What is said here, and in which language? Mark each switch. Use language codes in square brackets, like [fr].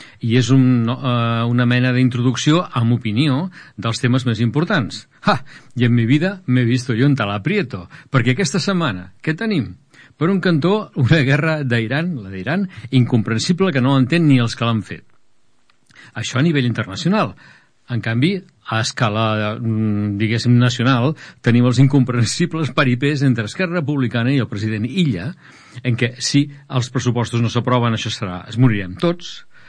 [ca] I és una mena d'introducció amb opinió dels temes més importants. Ha! [es] I en mi vida m'he visto yo en tal aprieto. [ca] Perquè aquesta setmana, què tenim? Per un cantó, una guerra d'Iran, la d'Iran, incomprensible que no entén ni els que l'han fet. Això a nivell internacional. En canvi, a escala, diguéssim, nacional, tenim els incomprensibles paripers entre Esquerra Republicana i el president Illa, en què, si els pressupostos no s'aproven, això serà, es morirem tots.